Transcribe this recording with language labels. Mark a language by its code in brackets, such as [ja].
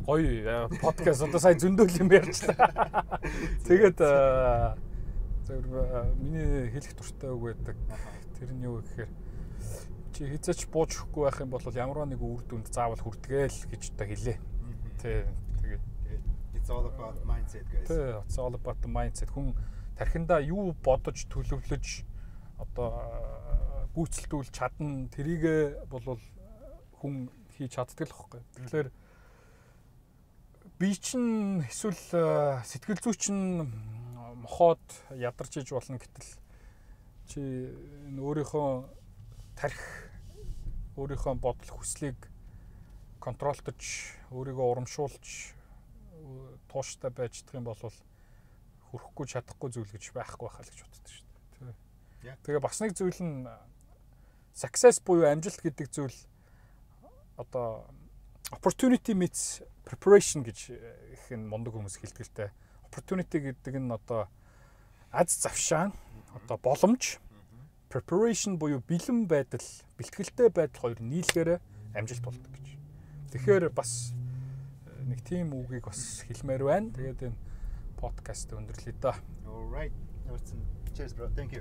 [mn] Гоё подкаст одоо сайн зөндөл юм ярьчлаа. Тэгээд зөв миний хэлэх дуртай үг байдаг. Тэр нь юу гэхээр чи хязгаарч бууж өгөхгүй байх юм бол ямарваа нэг үр дүнд заавал хүрдгээл гэж одоо хэлээ. Тэгээд [en] it's all about mindset guys. It's all about the mindset. [mn] Хүн тархиндаа юу бодож төлөвлөж одоо гүйцэлдүүл чадна тэрийгэ бол хүн хийж чаддаг л байхгүй. Тэгэхээр би чинь эсвэл сэтгэл зүй чинь мохоод ядарч иж болно гэтэл чи энэ өөрийнхөө тарих өөрийнхөө бодол хүслийг контролтож өөрийгөө урамшуулж тууштай байждаг юм бол хүрхгүй чадахгүй зүйл гэж байхгүй байхаа л гэж боддог шүү дээ. Тэгээ. Тэгээ бас нэг зүйл нь success буюу амжилт гэдэг зүйл одоо opportunity meets preparation гэж их энэ мундаг хүмүүс хэлтгэлтэй. Opportunity гэдэг нь одоо аз завшаан, одоо боломж, preparation буюу бэлэн байдал, бэлтгэлтэй байдал хоёр нийлгэрэ амжилт болдог гэж. Тэгэхээр бас нэг тийм үгийг бас хэлмээр байна. Тэгээд энэ подкаст өндөрлөе дөө. [en] All right. Cheers bro. Thank you.